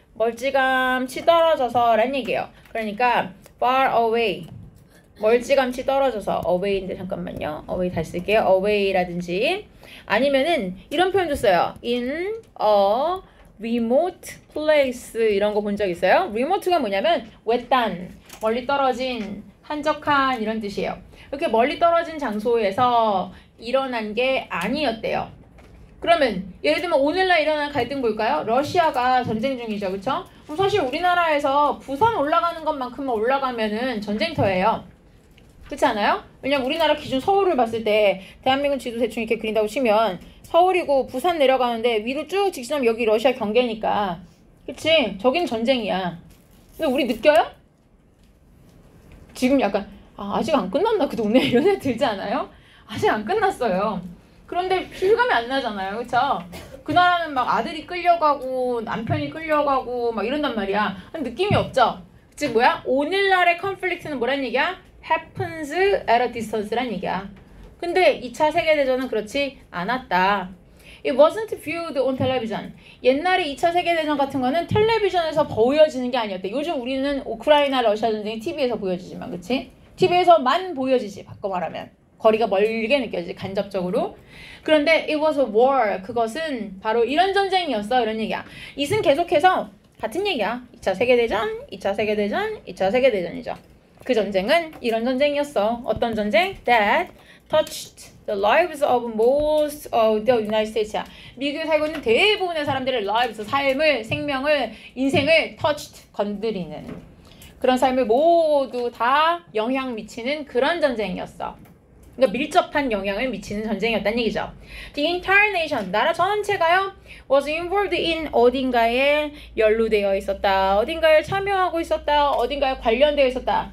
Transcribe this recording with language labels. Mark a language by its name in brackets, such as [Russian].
[Korean] 멀찌감치 떨어져서란 얘기예요. 그러니까 [English] far away. [Korean] 멀찌감치 떨어져서 away인데 잠깐만요. away 다시 쓸게요. away라든지 아니면은 이런 표현도 써요. [English] in a remote place [Korean] 이런 거본적 있어요? remote가 뭐냐면 외딴, 멀리 떨어진, 한적한 이런 뜻이에요. 이렇게 멀리 떨어진 장소에서 일어난 게 아니었대요. 그러면 예를 들면 오늘날 일어난 갈등 볼까요? 러시아가 전쟁 중이죠, 그렇죠? 그럼 사실 우리나라에서 부산 올라가는 것만큼만 올라가면은 전쟁터예요. 그렇지 않아요? 왜냐면 우리나라 기준 서울을 봤을 때 대한민국 지도 대충 이렇게 그린다고 치면 서울이고 부산 내려가는데 위로 쭉 직진하면 여기 러시아 경계니까. 그치? 저긴 전쟁이야. 근데 우리 느껴요? 지금 약간, 아, 아직 안 끝났나? 그 동네? 이런 생각 들지 않아요? 아직 안 끝났어요. 그런데 실감이 안 나잖아요. 그쵸? 그 나라는 막 아들이 끌려가고 남편이 끌려가고 막 이런단 말이야. 느낌이 없죠? 그치? 뭐야? 오늘날의 컨플릭트는 뭐란 얘기야? [English] Happens at a distance란 얘기야. [Korean] 근데 2차 세계대전은 그렇지 않았다. [English] It wasn't viewed on television. [Korean] 옛날에 2차 세계대전 같은 거는 텔레비전에서 보여지는 게 아니었대. 요즘 우리는 우크라이나 러시아 전쟁이 TV에서 보여지지만, 그치? TV에서만 보여지지, 바꿔 말하면. 거리가 멀게 느껴지지, 간접적으로. 그런데 [English] it was a war. [Korean] 그것은 바로 이런 전쟁이었어. 이런 얘기야. 이승 계속해서 같은 얘기야. 2차 세계대전, 2차 세계대전, 2차 세계대전이죠. 그 전쟁은 이런 전쟁이었어. 어떤 전쟁? [English] That touched the lives of most of the United States야. [Korean] 미국에 살고 있는 대부분의 사람들의 lives, 삶을, 생명을, 인생을 touched, 건드리는 그런 삶을 모두 다 영향 미치는 그런 전쟁이었어. 그러니까 밀접한 영향을 미치는 전쟁이었단 얘기죠. [English] The entire nation, [Korean] 나라 전체가요, [English] was involved in [Korean] 어딘가에 연루되어 있었다, 어딘가에 참여하고 있었다, 어딘가에 관련되어 있었다.